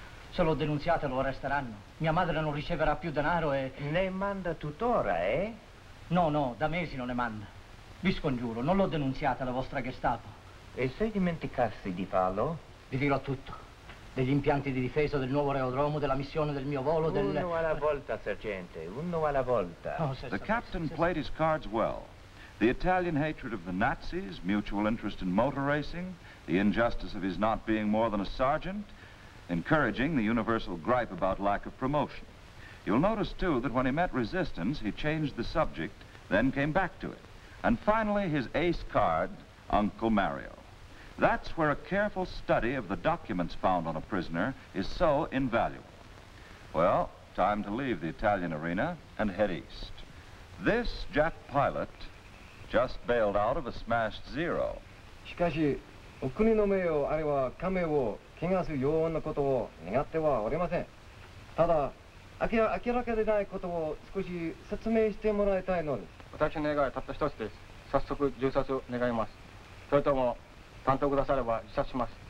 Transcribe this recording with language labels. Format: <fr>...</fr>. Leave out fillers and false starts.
<it>Se lo denunziate lo arresteranno. Mia madre non riceverà più denaro e... Ne manda tuttora, eh? No, no, da mesi non ne manda. Vi scongiuro, non l'ho denunziata la vostra Gestapo. E se dimenticassi di farlo? Vi dirò tutto. Degli impianti di difesa del nuovo aerodromo, della missione del mio volo, del... Uno alla volta, sergente, uno alla volta.</it> <en>Oh, se the captain se played his cards well. The Italian hatred of the Nazis, mutual interest in motor racing, the injustice of his not being more than a sergeant, encouraging the universal gripe about lack of promotion. You'll notice, too, that when he met resistance, he changed the subject, then came back to it. And finally, his ace card, Uncle Mario. That's where a careful study of the documents found on a prisoner is so invaluable. Well, time to leave the Italian arena and head east. This Jap pilot just bailed out of a smashed Zero.</en> <ja>しかし、お国の名誉あるいは家名を汚す要因のことを願ってはおりません。ただ、明らかでないことを少し説明してもらいたいのです。私の願いはたった一つです。早速、銃殺を願います。それとも、担当くだされば自殺します。</ja>